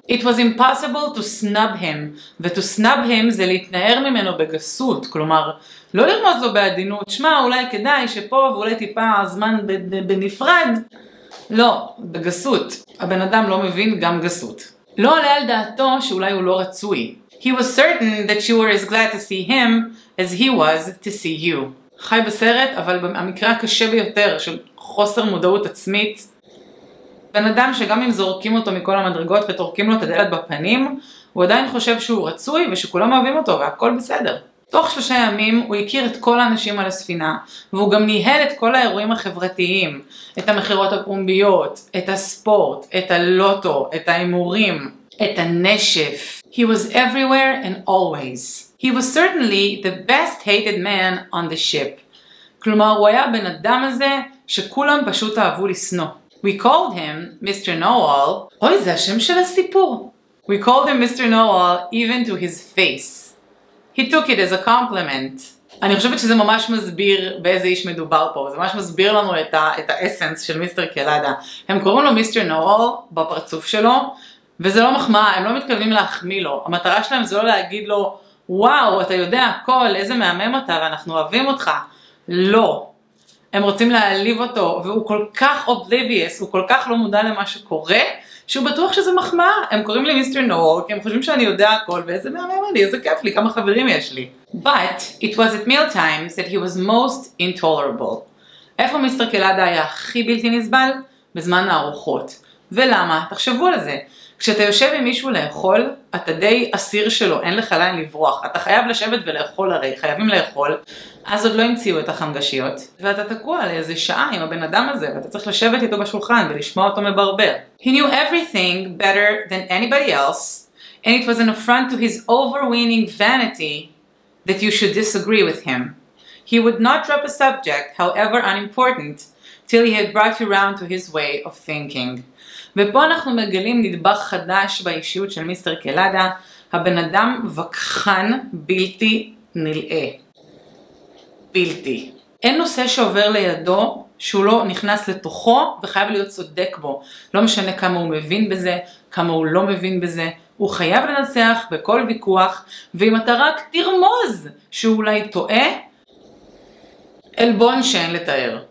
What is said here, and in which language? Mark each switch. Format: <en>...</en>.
<en>It was impossible to snub him,</en> <he>ו-</he> <en>to snub him</en> <he>זה להתנער ממנו בגסות, כלומר, לא לרמוז לו בעדינות, שמע, אולי כדאי שפה ואולי טיפה הזמן בנפרד. לא, בגסות. הבן אדם לא מבין גם גסות. לא עולה על דעתו שאולי הוא לא רצוי.</he> <en>He was certain that you were as glad to see him as he was to see you.</en> <he>חי בסרט, אבל במקרה הקשה ביותר של חוסר מודעות עצמית, בן אדם שגם אם זורקים אותו מכל המדרגות וטורקים לו את הדלת בפנים, הוא עדיין חושב שהוא רצוי ושכולם אוהבים אותו והכל בסדר. תוך 3 ימים הוא הכיר את כל האנשים על הספינה, והוא גם ניהל את כל האירועים החברתיים, את המחירות הפומביות, את הספורט, את הלוטו, את האימורים, את הנשף.</he> <en>He was everywhere and always. He was certainly the best hated man on the ship.</en> <he>כלומר, הוא היה בן אדם הזה שכולם פשוט אהבו לשנוא.</he> <en>We called him Mr. Know-All.</en> <he>אוי, זה השם של הסיפור.</he> <en>We called him Mr. Know-All even to his face. He took it as a compliment.</en> <he>אני חושבת שזה ממש מסביר באיזה איש מדובר פה. זה ממש מסביר לנו את האסנס של מיסטר קלאדה. הם קוראים לו Mr. Know-All בפרצוף שלו, וזה לא מחמאה, הם לא מתכוונים להחמיא לו. המטרה שלהם זה לא להגיד לו, וואו, אתה יודע הכל, איזה מהמם אתה, ואנחנו אוהבים אותך. לא. הם רוצים להעליב אותו, והוא כל כך oblivious, הוא כל כך לא מודע למה שקורה, שהוא בטוח שזה מחמאה. הם קוראים לי מיסטר נוול, כי הם חושבים שאני יודע הכל, ואיזה מהמם אני, איזה כיף לי, כמה חברים יש לי.</he> <en>But it was at meal times that he was most intolerable.</en> <he>איפה מיסטר קלאדה היה הכי בלתי נסבל? בזמן הארוחות. ולמה? תחשבו על זה. כשאתה יושב עם מישהו לאכול, אתה די אסיר שלו, אין לך לאן לברוח. אתה חייב לשבת ולאכול הרי, חייבים לאכול. אז עוד לא המציאו את החמגשיות. ואתה תקוע לאיזה שעה עם הבן אדם הזה, ואתה צריך לשבת איתו בשולחן ולשמוע אותו מברבר.</he> <en>He knew everything better than anybody else, and it was an affront to his overweening vanity that you should disagree with him. He would not drop a subject, however unimportant, till he had brought you round to his way of thinking.</en> <he>ופה אנחנו מגלים נדבך חדש באישיות של מיסטר קלאדה, הבן אדם וכחן בלתי נלאה. בלתי. אין נושא שעובר לידו שהוא לא נכנס לתוכו וחייב להיות צודק בו. לא משנה כמה הוא מבין בזה, כמה הוא לא מבין בזה, הוא חייב לנצח בכל ויכוח, ואם אתה רק תרמוז שהוא אולי טועה, אלבון שאין לתאר.</he>